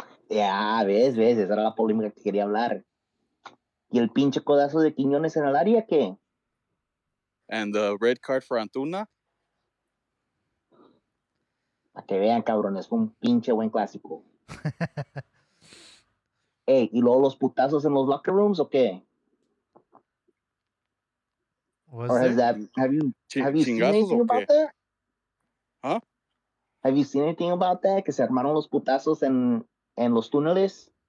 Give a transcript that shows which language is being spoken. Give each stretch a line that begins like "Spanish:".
Spanish: Yeah, ves, esa era la polémica que quería hablar. ¿Y el pinche codazo de Quiñones en el área qué?
English: And the red card for Antuna?
Spanish: Pa que vean, cabrón, es un pinche buen clásico. Hey, ¿y luego los putazos en los locker rooms o qué?
English: Was or has that, have you seen anything about that? Huh? Have you seen anything about that?
Spanish: Que se armaron los putazos en los túneles?